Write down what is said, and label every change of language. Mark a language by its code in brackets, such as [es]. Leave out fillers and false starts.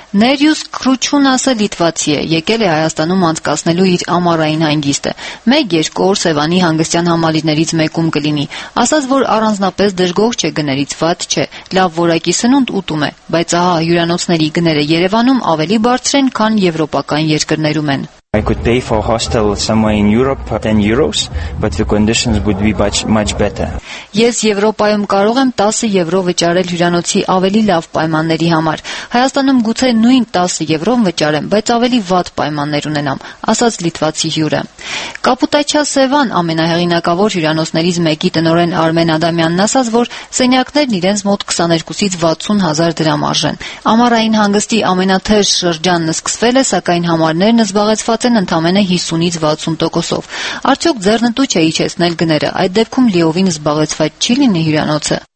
[hy] Ներյուս Քրուչունասը լիտվացի է, եկել է Հայաստանում անցկացնելու իր ամառային հանգիստը։ 1-2 Սևանի հանգստյան համալիրներից մեկում կլինի։ Ասած, որ առանձնապես դժգոհ չէ գներից, վատ չէ, լավ որակի սնունդ ուտում է, բայց ահա հյուրանոցների գները Երևանում ավելի բարձր են, քան եվրոպական երկրներում են։ [en] I could pay for a hostel somewhere in Europe for 10 euros, but the conditions would be much better. [hy] Ես Եվրոպայում կարող եմ 10 եվրո վճարել հյուրանոցի ավելի լավ պայմանների համար։ Հայաստանում գուցե նույն 10 եվրոն վճարեմ, բայց ավելի վատ պայմաններ ունենամ, ասաց լիտվացի հյուրը։ Կապուտաչա Սևան ամենահեղինակավոր հյուրանոցներից մեկի տնօրեն Արմեն Ադամյանն ասաց, որ սենյակներն իրենց մոտ 22-ից 60,000 դրամ արժեն։ Ամառային հանգստի ամենաթեժ շրջանն սկսվել է, սակայն համարներն զբաղեցված են ընդամենը 50-ից 60%-ով։ Արդյոք ձեռնտու չէ իջեցնել գները, այդ դեպքում լիովին զբաղեցված չի լինի հյուրանոցը։